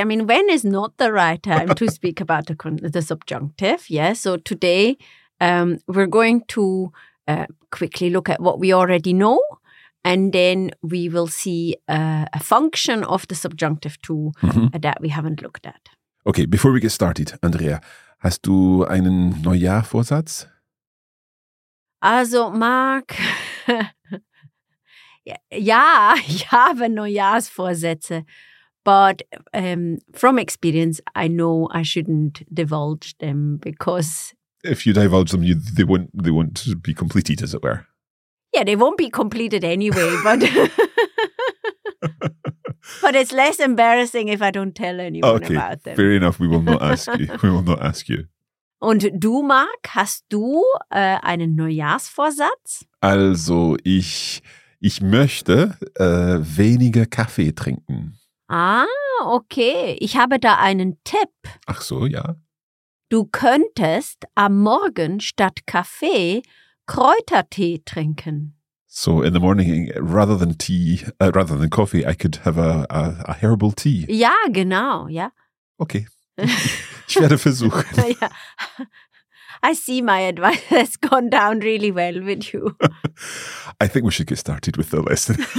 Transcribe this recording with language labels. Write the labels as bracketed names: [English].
[English] I mean, when is not the right time to speak about the subjunctive? Yeah. So today we're going to quickly look at what we already know. And then we will see a function of the subjunctive too that we haven't looked at. Okay, before we get started, Andrea, [German] hast du einen Neujahrvorsatz? Also, Marc, ja, ich habe Neujahrsvorsätze. [English] But from experience, I know I shouldn't divulge them because... If you divulge them, they won't be completed, as it were. Yeah, they won't be completed anyway, but but it's less embarrassing if I don't tell anyone okay, about them. Fair enough, we will not ask you. We will not ask you. [German] Und du, Marc, hast du einen Neujahrsvorsatz? Also, ich möchte weniger Kaffee trinken. Ah, okay. Ich habe da einen Tipp. Ach so, ja. Du könntest am Morgen statt Kaffee Kräutertee trinken. [English] So in the morning, rather than coffee, I could have a herbal tea. [German] Ja, genau, ja. Okay, ich werde versuchen. Ja. [English] I see my advice has gone down really well with you. I think we should get started with the lesson.